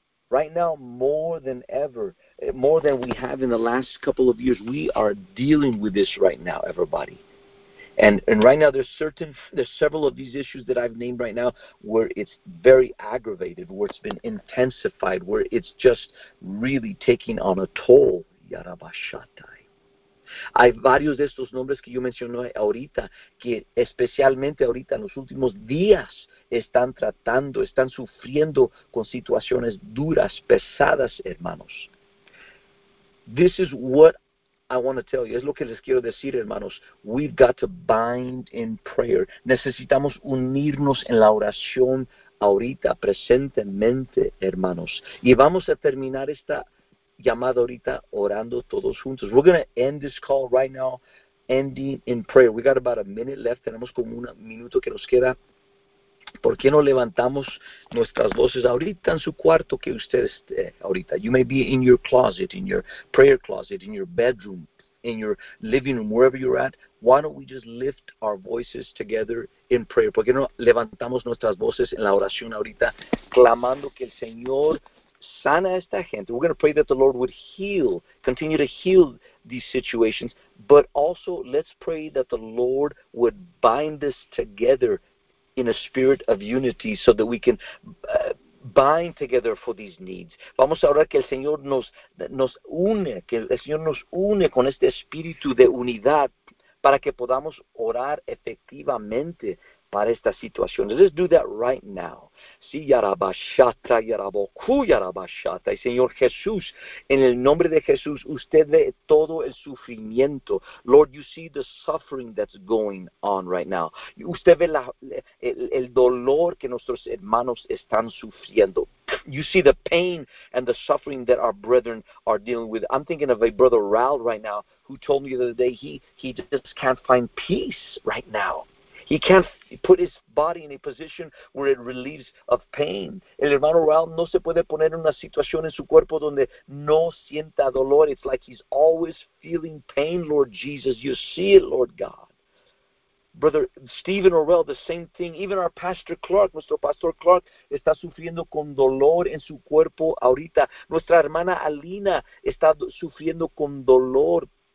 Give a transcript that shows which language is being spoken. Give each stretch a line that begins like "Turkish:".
English: Right now, more than ever, more than we have in the last couple of years, we are dealing with this right now, everybody. And right now, there's several of these issues that I've named right now where it's very aggravated, where it's been intensified, where it's just really taking on a toll. Yarabashatai.
Spanish: Hay varios de estos nombres que yo mencioné ahorita, que especialmente ahorita, en los últimos días, están tratando, están sufriendo con situaciones duras, pesadas, hermanos.
English: This is what I want to tell you.
Spanish: Es lo que les quiero decir, hermanos.
English: We've got to bind in prayer.
Spanish: Necesitamos unirnos en la oración ahorita, presentemente, hermanos. Y vamos a terminar esta llamada ahorita orando todos juntos.
English: We're going to end this call right now, ending in prayer. We got about a minute left.
Spanish: Tenemos como un minuto que nos queda. ¿Por qué no levantamos nuestras voces ahorita en su cuarto que usted esté ahorita?
English: You may be in your closet, in your prayer closet, in your bedroom, in your living room, wherever you're at. Why don't we just lift our voices together in prayer?
Spanish: ¿Por qué no levantamos nuestras voces en la oración ahorita clamando que el Señor sana a esta gente?
English: We're going to pray that the Lord would heal, continue to heal these situations, but also let's pray that the Lord would bind us together in a spirit of unity, so that we can bind together for these needs.
Spanish: Vamos a orar que el Señor nos une, que el Señor nos une con este espíritu de unidad para que podamos orar efectivamente para esta situación.
English: Let's do that right now. Sí, yarabashata, yarabocu, yarabashata.
Spanish: Y Señor Jesús, en el nombre de Jesús, usted ve todo el sufrimiento.
English: Lord, you see the suffering that's going on right now.
Spanish: Usted ve el dolor que nuestros hermanos están sufriendo.
English: You see the pain and the suffering that our brethren are dealing with. I'm thinking of a brother Raul right now, who told me the other day he just can't find peace right now. He can't put his body in a position where it relieves of pain.
Spanish: El hermano Raul no se puede poner en una situación en su cuerpo donde no sienta dolor.
English: It's like he's always feeling pain, Lord Jesus. You see it, Lord God. Brother Stephen Orwell, the same thing. Even our Pastor Clark,
Spanish: nuestro Pastor Clark, está sufriendo con dolor en su cuerpo ahorita. Nuestra hermana Alina está sufriendo con dolor.